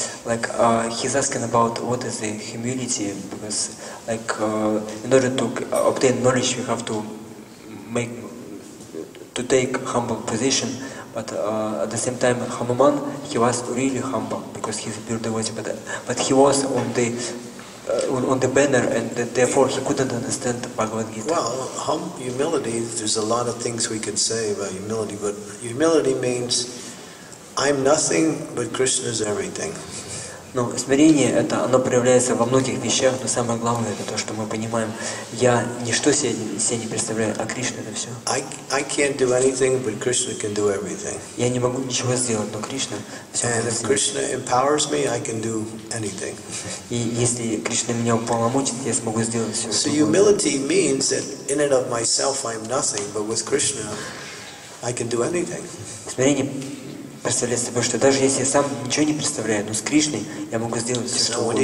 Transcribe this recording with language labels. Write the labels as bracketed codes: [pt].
[en] Like, he's asking about what is the humility, because, like, in order to obtain knowledge, we have to take humble position, but at the same time, Hanuman, he was really humble, because he's a pure devotee, but he was on the on the banner, and therefore he couldn't understand the Bhagavad Gita. Well, humility, there's a lot of things we could say about humility, but humility means I'm nothing, but Krishna is everything. [ru] Ну, смирение это оно проявляется во многих вещах, но самое главное это то, что мы понимаем, я ничто себе не представляю, а Кришна это все. [en] I can't do anything, but Krishna can do everything. [ru] Я не могу ничего сделать, но Кришна все может. [en] And if Krishna empowers me, I can do anything. [ru] И если Кришна меня уполномочит, я смогу сделать все. [en] So humility means that in and of myself I am nothing, but with Krishna I can do anything. [ru] Смирение представляет собой, что даже если я сам ничего не представляю, но с Кришной я могу сделать все, что